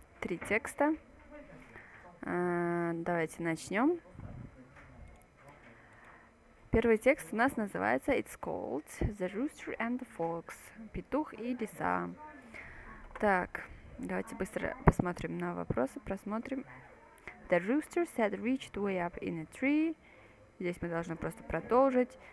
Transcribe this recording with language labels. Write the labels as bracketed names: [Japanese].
[Russian] Три текста. Давайте начнем. Первый текст у нас называется [English] It's called The Rooster and the Fox. [Russian] Петух и лиса. Так, давайте быстро посмотрим на вопросы, просмотрим. [English] The rooster said reached way up in a tree. [Russian] Здесь мы должны просто продолжить.